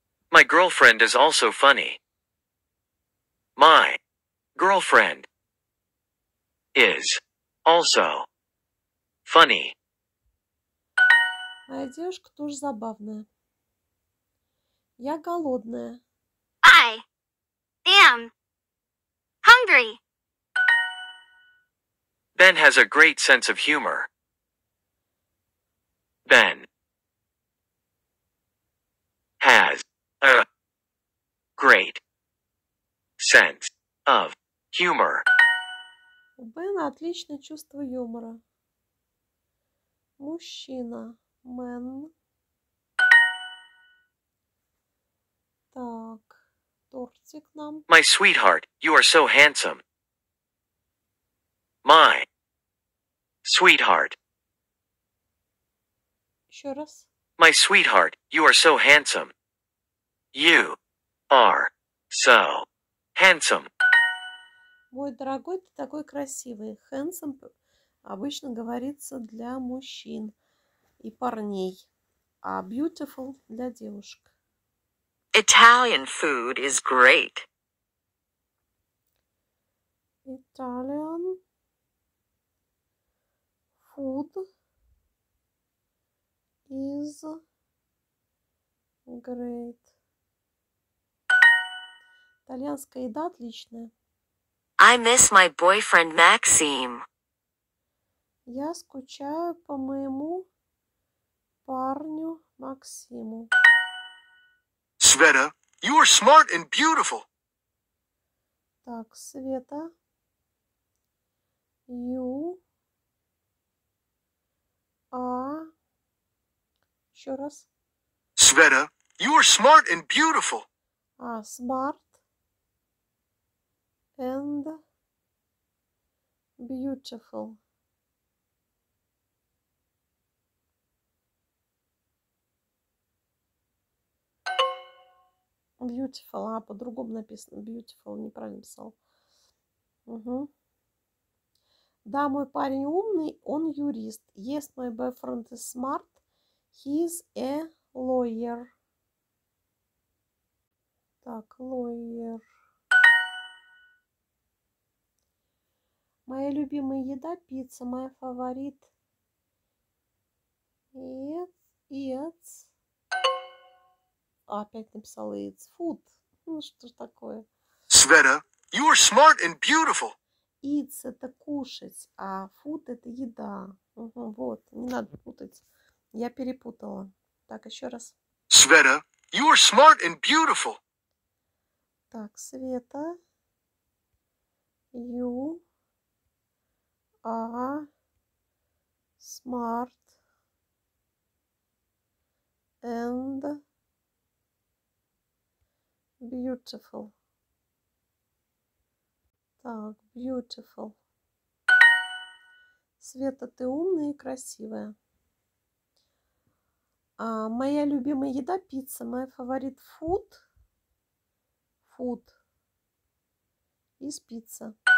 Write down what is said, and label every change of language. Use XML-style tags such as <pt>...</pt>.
<en>My girlfriend is also funny. My girlfriend is also funny.</en> <ru>Моя девушка тоже забавная. Я голодная.</ru> <en>I am hungry. Ben has a great sense of humor. Ben has a great sense of humor.</en> <ru>У Бена отличное чувство юмора. Мужчина. Мэн. Так, тортик нам.</ru> <en>My sweetheart, you are so handsome. My sweetheart.</en> <ru>Еще раз.</ru> <en>My sweetheart, you are so handsome. You are so handsome.</en> <ru>Мой дорогой, ты такой красивый. Handsome обычно говорится для мужчин и парней, а beautiful для девушек.</ru> <en>Italian food is great. Italian food is great.</en> <ru>Итальянская еда отличная.</ru> <en>I miss my boyfriend Maxime.</en> <ru>Я скучаю по моему парню Максиму.</ru> <en>Света, you are smart and beautiful.</en> <ru>Так, Света,</ru> <en>you are,</en> <ru>еще раз.</ru> <en>Света, you are smart and beautiful. А, smart and beautiful.</en> <ru>Beautiful, а по-другому написано. Beautiful, неправильно писал. Угу. Да, мой парень умный, он юрист.</ru> <en>Yes, my boyfriend is smart. He is a lawyer.</en> <ru>Так, lawyer. Моя любимая еда – пицца. Моя фаворит.</ru> <en>It's.</en> <ru>Опять написал</ru> <en>it's food.</en> <ru>Ну что ж такое?</ru> <en>Света, you are smart and beautiful.</en> <ru>It's это кушать, а food это еда. Угу, вот, не надо путать. Я перепутала. Так, еще раз.</ru> <en>Света, you are smart and beautiful. Так, Света, you are smart and beautiful.</en> <ru>Так, beautiful. Света, ты умная и красивая. А моя любимая еда – пицца.</ru> <en>My favorite food – food</en> <ru>из пицца.</ru>